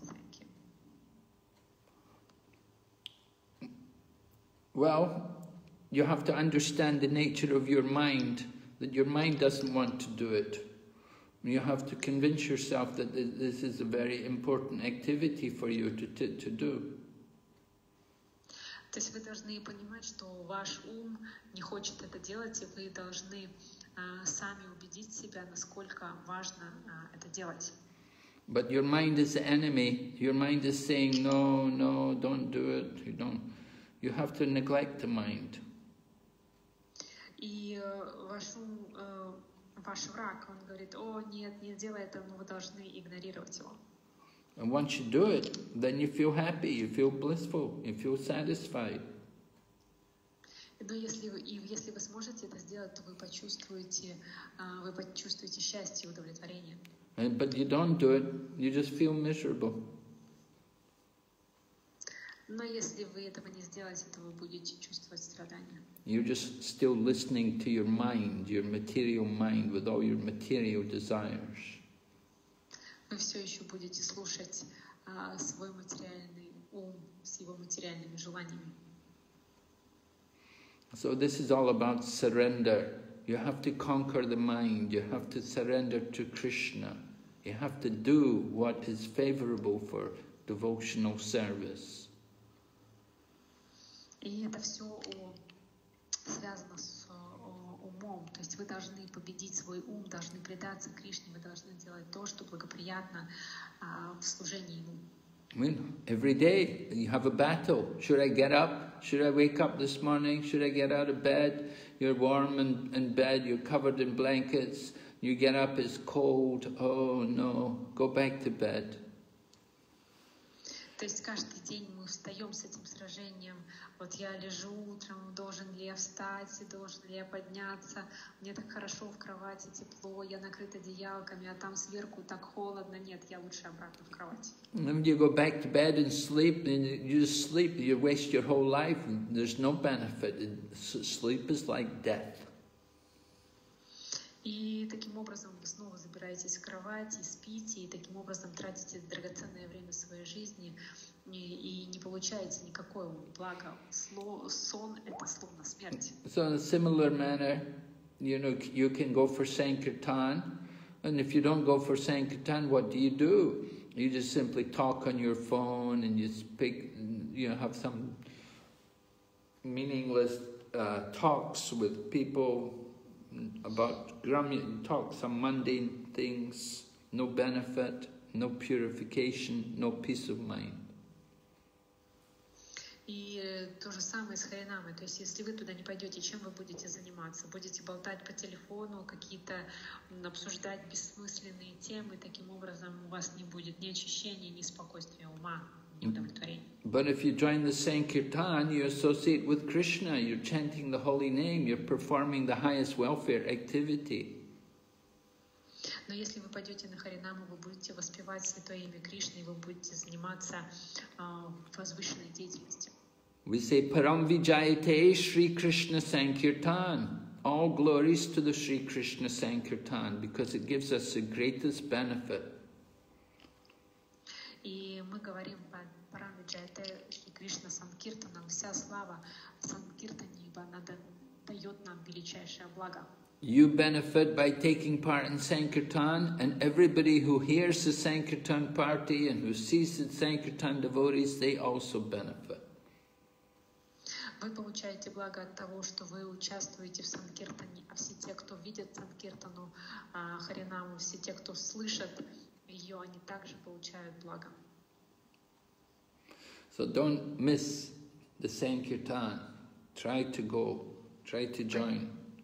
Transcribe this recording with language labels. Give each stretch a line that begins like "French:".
English: Thank you. Well, you have to understand the nature of your mind, that your mind doesn't want to do it. You have to convince yourself that this is a very important activity for you to do.
Russian: То есть вы должны понимать, что ваш ум не хочет это делать, и вы должны сами убедить себя, насколько важно это делать.
English: But your mind is the enemy. Your mind is saying, no, no, don't do it. You have to neglect the mind.
Russian: И ваш ум... ваш враг, он говорит, о, нет, не делай это, но вы должны игнорировать его.
English: And once you do it, then you feel happy, you feel blissful, you feel satisfied.
Russian: Но если вы сможете это сделать, то вы почувствуете счастье и удовлетворение.
English: But you don't do it, you just feel miserable.
Russian: Но если вы этого не сделаете, то вы будете чувствовать страдания.
English: You're just still listening to your mind, your material mind, with all your material desires.
Russian: Вы все еще будете слушать свой материальный ум с его материальными желаниями.
English: So this is all about surrender. You have to conquer the mind. You have to surrender to Krishna. You have to do what is favorable for devotional service.
Russian: И это все связано с умом. То есть вы должны победить свой ум, должны предаться Кришне, вы должны делать то, что благоприятно в служении Ему.
English: I mean, every day you have a battle. Should I get up? Should I wake up this morning? Should I get out of bed? You're warm and in bed, you're covered in blankets. You get up, it's cold. Oh no, go back to bed.
Russian: То есть каждый день мы встаем с этим сражением. Вот я лежу утром, должен ли я встать, должен ли я подняться? Мне так хорошо в кровати, тепло, я накрыт одеялками, а там сверху так холодно. Нет, я лучше обратно в кровать.
English: And you go back to bed and sleep, and you just sleep, you waste your whole life. There's no benefit. Sleep is like death.
Russian: И таким образом вы снова забираетесь в кровать и спите, и таким образом тратите драгоценное время своей жизни и не получаете никакого блага. Сон — это словно смерть.
English: So in a similar manner, you know, you can go for Sankirtan, and if you don't go for Sankirtan, what do? You just simply talk on your phone and you speak, you know, have some meaningless talks with people about Gramya, talk some mundane things, no benefit, no purification, no peace of mind.
Russian: И то же самое с Харинамой. То есть если вы туда не пойдете, чем вы будете заниматься? Будете болтать по телефону, какие-то обсуждать бессмысленные темы, таким образом у вас не будет ни очищения, ни спокойствия ума, ни удовлетворения.
English: But if you join the Sankirtan, you associate with Krishna, you're chanting the holy name, you're performing the highest welfare activity.
Russian: Но если вы пойдете на Харинаму, вы будете воспевать святое имя Кришны, и вы будете заниматься возвышенной деятельностью.
English: We say
Sanskrit: Param Vijayate Shri Krishna Sankirtan.
English: All glories to the Shri Krishna Sankirtan, because it gives us the greatest benefit.
Russian: И мы говорим
Sanskrit: Param Vijayate Shri Krishna Sankirtan.
Russian: Вся слава Санкиртане, ибо она дает нам величайшее благо.
English: You benefit by taking part in Sankirtan, and everybody who hears the Sankirtan party and who sees the Sankirtan devotees, they also benefit.
Russian: Вы получаете благо от того, что вы участвуете в Санкиртане, а все те, кто видят Санкиртану, Харинаму, все те, кто слышат ее, они также получают благо.
English: So don't miss the Sankirtan. Try to go, try to join.